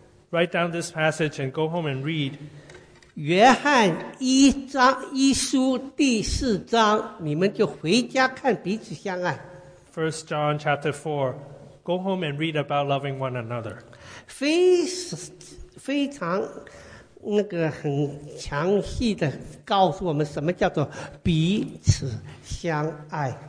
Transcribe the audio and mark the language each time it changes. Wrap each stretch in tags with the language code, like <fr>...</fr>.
<en>write down this passage and go home and read.</en> <zh>约翰一章一书第四章, 你们就回家看彼此相爱。</zh> <en>1 John chapter 4, go home and read about loving one another.</en> <zh>非常 那个很详细的告诉我们什么叫做彼此相爱。</zh>